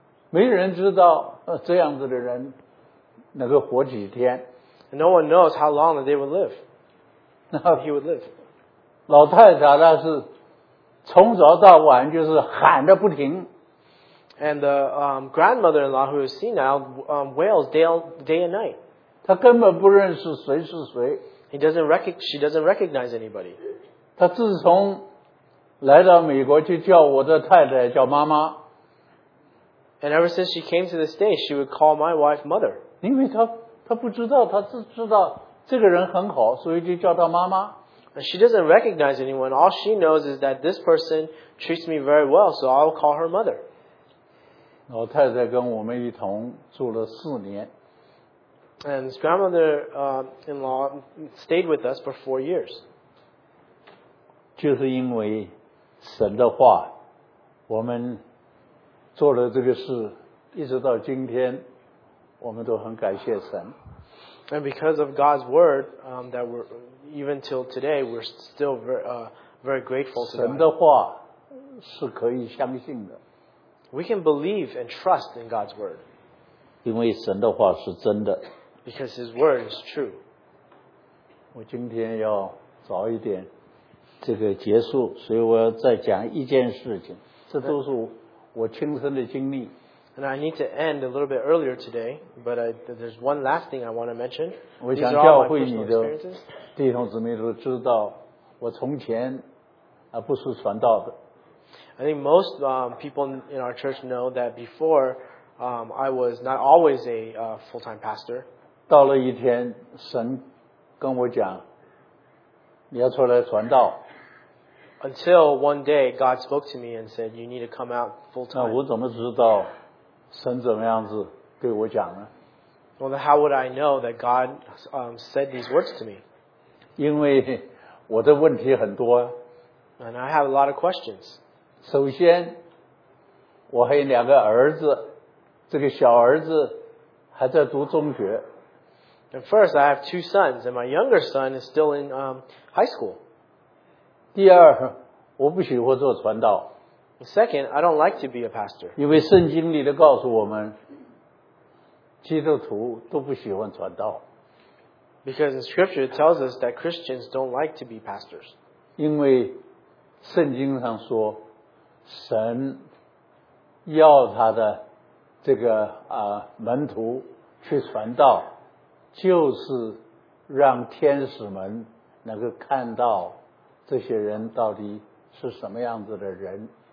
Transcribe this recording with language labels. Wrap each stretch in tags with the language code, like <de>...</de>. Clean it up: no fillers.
<zh>没人知道这样子的人能够活几天。</zh> <en>No one knows how long they would live. He would live.</en> <zh>老太太那是从早到晚就是喊得不停。</zh> <en>And the grandmother-in-law who is senile wails day and night.</en> <zh>她根本不认识谁是谁。</zh> <en>She doesn't recognize anybody.</en> <zh>她自从来到美国就叫我的太太叫妈妈。</zh> <en>And ever since she came to the States, she would call my wife mother.</en> <zh>因为她不知道，她只知道这个人很好，所以就叫她妈妈。</zh> <en>And she doesn't recognize anyone. All she knows is that this person treats me very well, so I'll call her mother.</en> <zh>老太太跟我们一同住了四年。</zh> <en>And his grandmother-in-law stayed with us for 4 years.</en> <zh>就是因为神的话，我们做了这个事，一直到今天，我们都很感谢神。</zh> <en>And because of God's word, that we're even till today, we're still very grateful to God.</en> <zh>神的话是可以相信的。</zh> <en>We can believe and trust in God's word.</en> <zh>因为神的话是真的。</zh> <en>Because His word is true.</en> <zh>我今天要早一点这个结束，所以我要再讲一件事情。这都是我亲身的经历。</zh> <en>And I need to end a little bit earlier today, but there's one last thing I want to mention.</en> <zh>我想教会你的弟兄姊妹都知道，我从前不是传道的。</zh> <en>I think most people in our church know that before I was not always a full-time pastor.</en> <zh>到了一天，神跟我讲，你要出来传道。</zh> <en>Until one day, God spoke to me and said, "You need to come out full-time."</en> <zh>那我怎么知道？神怎么样子对我讲呢</zh> <en>？Well, then how would I know that God said these words to me?</en> <zh>因为我的问题很多。</zh> <en>And I have a lot of questions.</en> <zh>首先，我还有两个儿子，这个小儿子还在读中学。</zh> <en>And first, I have two sons, and my younger son is still in high school.</en> <zh>第二，我不喜欢做传道。</zh> <en>Second, I don't like to be a pastor.</en> <zh>因为圣经里的告诉我们，基督徒都不喜欢传道。</zh> <en>Because the scripture tells us that Christians don't like to be pastors.</en> <zh>因为圣经上说，神要他的这个门徒去传道，就是让天使们能够看到这些人到底是什么样子的人。</zh>